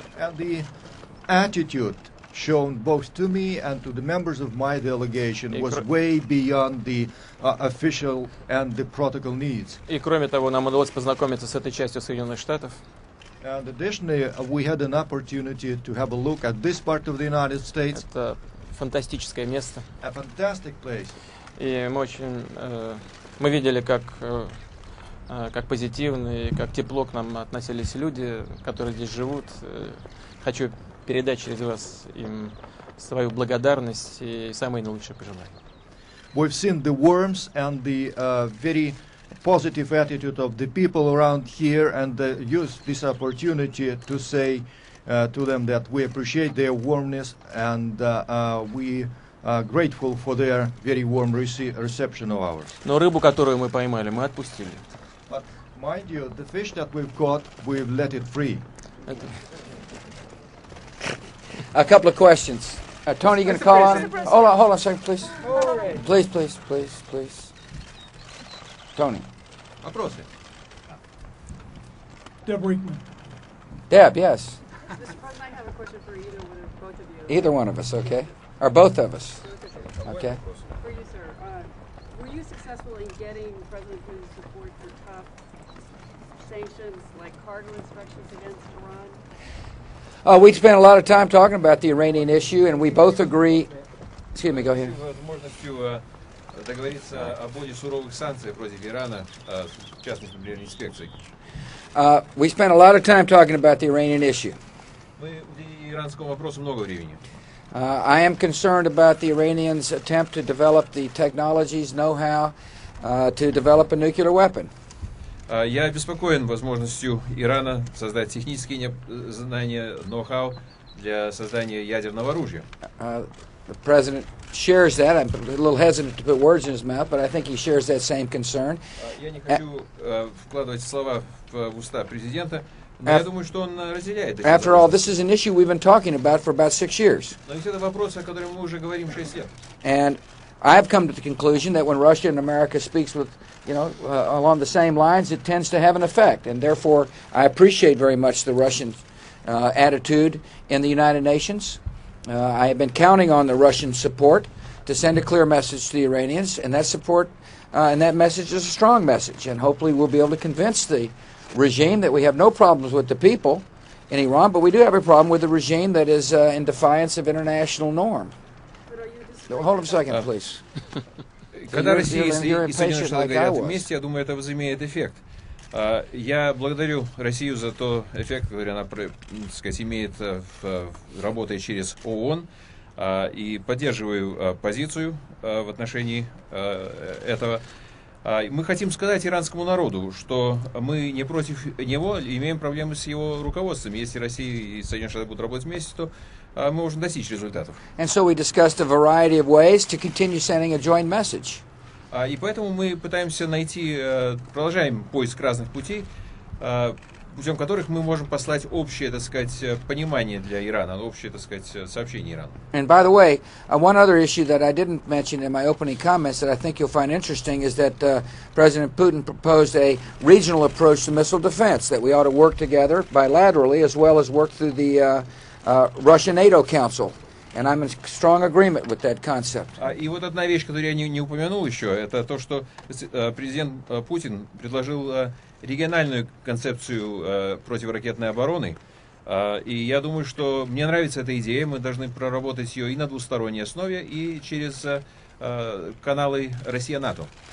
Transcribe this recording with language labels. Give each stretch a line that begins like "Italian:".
English: And the attitude shown both to me and to the members of my delegation was way beyond the official and the protocol needs.
Russian: И кроме того, нам удалось познакомиться с этой частью Соединенных Штатов.
English: And additionally, we had an opportunity to have a look at this part of the United States.
Russian: Это фантастическое место.
English: A fantastic place.
Russian: И мы очень, мы видели, как позитивно и как тепло к нам относились люди, которые здесь живут. Хочу передать через вас им свою благодарность и самые наилучшие пожелания.
English: We've seen the warmth and the very positive attitude of the people around here, and use this opportunity to say to them that we appreciate their warmness and we are grateful for their very warm reception of ours.
Russian: Но рыбу, которую мы поймали, мы отпустили.
English: But mind you, the fish that we've caught, we've let it free. A couple of questions. Tony, you gonna call on? Hold on a second, please. Please. Tony.
Russian: Вопросы.
English: Deb Reitman. Deb, yes. Mr. President, I have a question for either one of both of you. Either one of us, okay. Or both of us. Okay. For you, sir. Were you successful in getting President Putin's support for tough sanctions like cargo inspections against Iran? We spent a lot of time talking about the Iranian issue, and we both agree. Excuse me, go ahead.
Russian: Возможностью договориться о более суровых санкциях против Ирана, в частности, при инспекции.
English: We spent a lot of time talking about the Iranian issue.
Russian: Мы уделили иранскому вопросу много времени.
English: I am concerned about the Iranians' attempt to develop the technologies, know-how, to develop a nuclear weapon.
Russian: Я обеспокоен возможностью Ирана создать технические знания, know-how для создания ядерного оружия.
English: The president shares that. I'm a little hesitant to put words in his mouth, but I think he shares that same concern.
Russian: Я не хочу вкладывать слова в уста президента, но я думаю, что он разделяет это.
English: After all, this is an issue we've been talking about 6 years.
Russian: Но ведь это вопрос, о котором мы уже говорим 6 лет.
English: And I have come to the conclusion that when Russia and America speaks with, you know, along the same lines, it tends to have an effect. And therefore, I appreciate very much the Russian attitude in the United Nations. I have been counting on the Russian support to send a clear message to the Iranians, and that support and that message is a strong message. And hopefully, we'll be able to convince the regime that we have no problems with the people in Iran, but we do have a problem with the regime that is in defiance of international norm. Hold on a second, please.
Russian: Когда Россия и Соединенные Штаты говорят вместе, я думаю, это возымеет эффект. Я благодарю Россию за тот эффект, который она, так сказать, имеет, работая через ООН, и поддерживаю позицию в отношении этого. Мы хотим сказать иранскому народу, что мы не против него, имеем проблемы с его руководством. Если Россия и Соединенные Штаты будут работать вместе, то мы можем достичь результатов.
English: And so we discussed a variety of ways to continue sending a joint message.
Russian: И поэтому мы пытаемся найти, продолжаем поиск разных путей, путем которых мы можем послать общее, так сказать, понимание для Ирана, общее, так сказать, сообщение Ирана.
English: And by the way, one other issue that I didn't mention in my opening comments that I think you'll find interesting is that President Putin proposed a regional approach to missile defense, that we ought to work together bilaterally as well as work through the Russian NATO Council. And I'm in strong agreement with that concept.
Russian: И вот одна вещь, которую я не упомянул еще, это то, что президент Путин предложил региональную концепцию противоракетной обороны. И я думаю, что мне нравится эта идея, мы должны проработать ее и на двусторонней основе, и через каналы Россия-НАТО.